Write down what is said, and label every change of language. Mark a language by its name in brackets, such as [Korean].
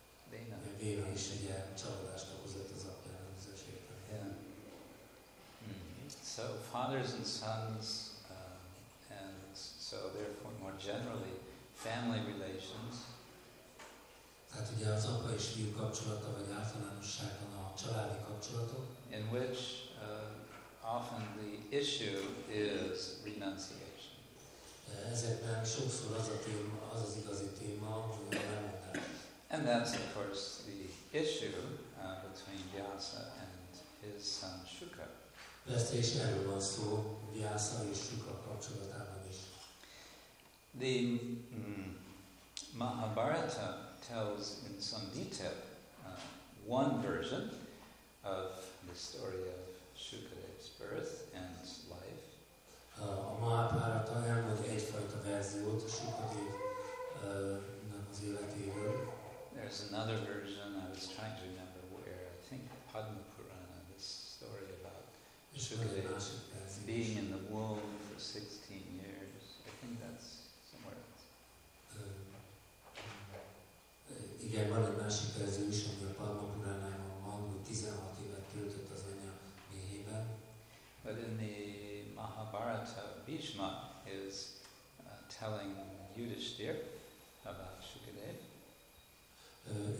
[Hungarian] Véna is egy ilyen csalódást okozott az apjának az esélyben. [English] So fathers and sons, and so therefore more generally family relations. [Hungarian] ugye az apa és fiú kapcsolata vagy általánosságban a családi kapcsolatok, [English] in which often the issue is renunciation. [Hungarian] Ezekben sokszor az a téma, az az igazi téma, hogy a lemondás. [English] And that's of course the issue between Vyasa and his son Shuka. [Hungarian] Vesztés erről van szó, Vyasa és Shuka kapcsolatában is. [English] The Mahabharata tells in some detail one version of the story of Shukadeva's birth and life. [Hungarian] A Mahabharata elmond egyfajta verziót Shukadevnak az életéről. [English] There's another version, I was trying to remember where, I think Padma Purana, this story about Shukadeva being in the womb for 16 years. I think that's somewhere else. [Hungarian] Igen, van egy másik verzió is, ami a Padma Puránában van, hogy 16 évet töltött az anya méhében. [English] But in the Mahabharata, Bhishma is telling Yudhishthir about Shukadeva.